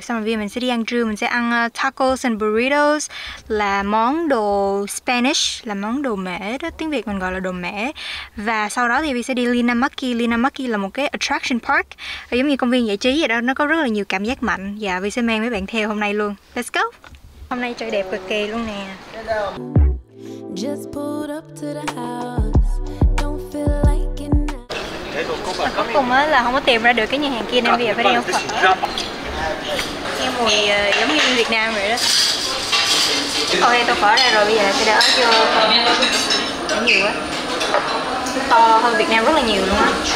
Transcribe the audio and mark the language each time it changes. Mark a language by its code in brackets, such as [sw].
[vi] Xong rồi Vi mình sẽ đi ăn trưa, mình sẽ ăn tacos and burritos, là món đồ Spanish, là món đồ mẻ đó, tiếng Việt mình gọi là đồ mẻ. Và sau đó thì Vi sẽ đi Linnanmäki. Linnanmäki là một cái attraction park, giống như công viên giải trí vậy đó, nó có rất là nhiều cảm giác mạnh. Và Vi sẽ mang mấy bạn theo hôm nay luôn. [en] Let's go. [vi] Hôm nay trời đẹp cực kỳ luôn nè. [en] Just pulled up to the house. Don't feel like it now. [vi] Cuối cùng á là không có tìm ra được cái nhà hàng kia nên bây giờ phải đi ăn phở. Cái mùi giống như Việt Nam vậy đó. Ok, tôi phở ra rồi, bây giờ sẽ đỡ cho phở. Nhiều quá. To hơn Việt Nam rất là nhiều luôn á.